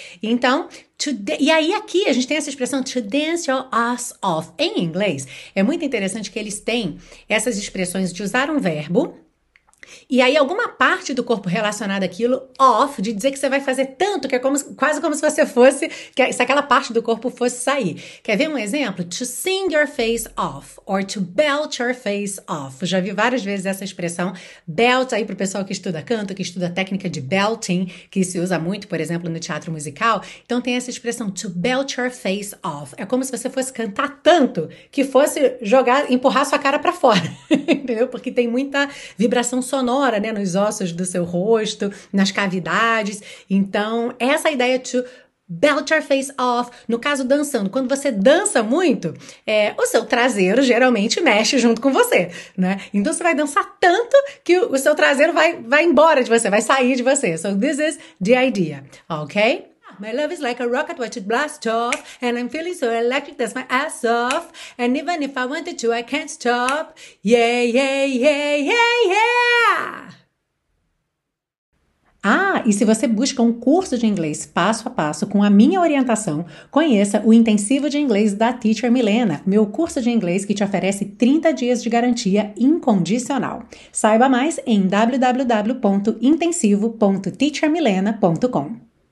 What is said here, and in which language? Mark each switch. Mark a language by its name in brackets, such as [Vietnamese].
[Portuguese] Então, e aí aqui a gente tem essa expressão, [English] to dance your ass off. [Portuguese] Em inglês, é muito interessante que eles têm essas expressões de usar um verbo, e aí alguma parte do corpo relacionada àquilo, off, de dizer que você vai fazer tanto, que é como, quase como se você fosse, que se aquela parte do corpo fosse sair. Quer ver um exemplo? [English] To sing your face off, or to belt your face off. [Portuguese] Já vi várias vezes essa expressão, belt, aí pro pessoal que estuda canto, que estuda técnica de belting, que se usa muito, por exemplo, no teatro musical. Então tem essa expressão, [English] to belt your face off. [Portuguese] É como se você fosse cantar tanto, que fosse jogar, empurrar sua cara pra fora, entendeu? Porque tem muita vibração sonora, né, nos ossos do seu rosto, nas cavidades. Então, essa ideia [English] to belt your face off, [Portuguese] no caso dançando, quando você dança muito, o seu traseiro geralmente mexe junto com você, né? Então você vai dançar tanto que o seu traseiro vai embora de você, vai sair de você. [English] So this is the idea, ok? My love is like a rocket, watch it blast off. And I'm feeling so electric, that's my ass off. And even if I wanted to, I can't stop. Yeah, yeah, yeah, yeah, yeah! [Portuguese] Ah, e se você busca um curso de inglês passo a passo com a minha orientação, conheça o Intensivo de Inglês da Teacher Milena, meu curso de inglês que te oferece 30 dias de garantia incondicional. Saiba mais em www.intensivo.teachermilena.com.